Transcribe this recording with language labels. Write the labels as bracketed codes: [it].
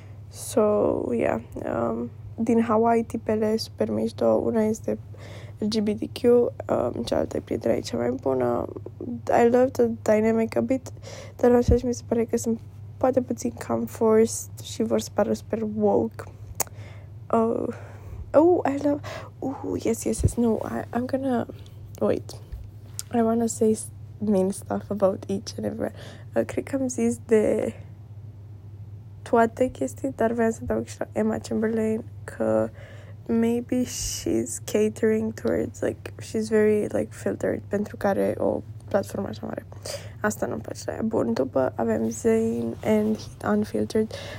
[en] So, yeah. [ro] Din Hawaii, tipele super mișto. Una este LGBTQ, cealaltă e prietena e cea mai bună. [en] I love the dynamic a bit, [ro] dar așa și mi se pare că sunt poate puțin cam forced și vor să pară super woke. [en] I want to say mean stuff about each and every. [ro] Cred că am zis de toate chestii, dar vreau să dau și la Emma Chamberlain că [en] maybe she's catering towards, like, she's very, like, filtered [ro] pentru care o platformă așa mare. Asta nu-mi place la ea. Bun, după avem Zayn and Heat Unfiltered.